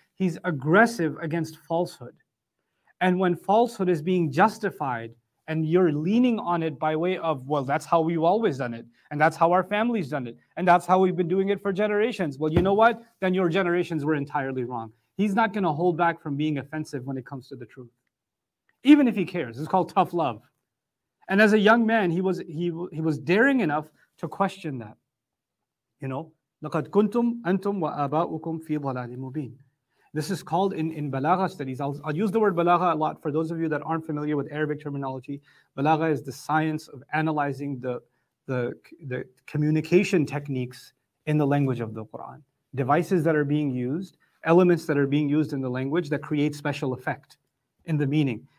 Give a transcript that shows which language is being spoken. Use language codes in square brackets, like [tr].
[en] He's aggressive against falsehood. And when falsehood is being justified, and you're leaning on it by way of, well, that's how we've always done it, and that's how our family's done it, and that's how we've been doing it for generations. Well, you know what? Then your generations were entirely wrong. He's not going to hold back from being offensive when it comes to the truth, even if he cares. It's called tough love. And as a young man, he was daring enough to question that. You know, [ar] لَقَدْ كُنْتُمْ أَنْتُمْ وَآبَاؤُكُمْ فِي ضَلَالٍ مُبِينٍ. [en] This is called in balagha studies. I'll use the word balagha a lot for those of you that aren't familiar with Arabic terminology. Balagha is the science of analyzing the communication techniques in the language of the Quran. Devices that are being used, elements that are being used in the language that create special effect in the meaning.